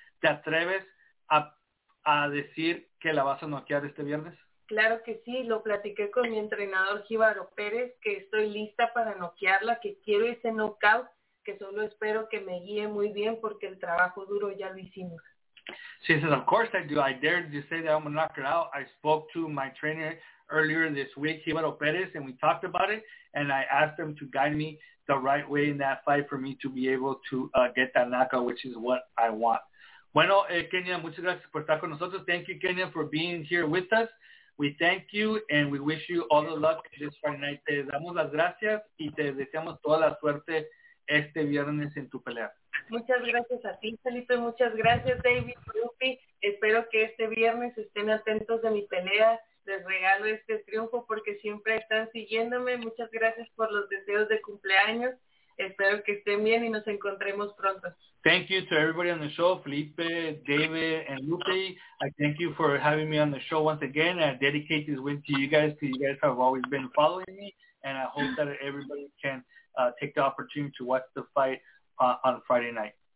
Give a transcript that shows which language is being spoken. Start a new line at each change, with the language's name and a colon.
Spanish: ¿Te atreves a decir que la vas a noquear este viernes? Claro que sí, lo platiqué con mi entrenador Jíbaro Pérez, que estoy lista para noquearla, que quiero ese knockout, que solo espero que me guíe muy bien porque el trabajo duro ya lo hicimos.
English: She says, of course I do. I dare to say that I'm going to knock her out. I spoke to my trainer earlier this week, Jíbaro Pérez, and we talked about it, and I asked him to guide me the right way in that fight for me to be able to get that knockout, which is what I want.
Spanish: Bueno, Kenia, muchas gracias por estar con nosotros.
English: Thank you, Kenia, for being here with us. We thank you and we wish you all the luck this Friday night.
Spanish: Te damos las gracias y te deseamos toda la suerte este viernes en tu pelea. Muchas gracias a ti, Felipe. Muchas gracias, David, Lupi. Espero que este viernes estén atentos de mi pelea. Les regalo este triunfo porque siempre están siguiéndome. Muchas gracias por los deseos de cumpleaños. Espero que estén bien y nos encontremos pronto.
English: Thank you to everybody on the show, Felipe, David, and Lupe. I thank you for having me on the show once again. I dedicate this win to you guys because you guys have always been following me, and I hope that everybody can take the opportunity to watch the fight on Friday night.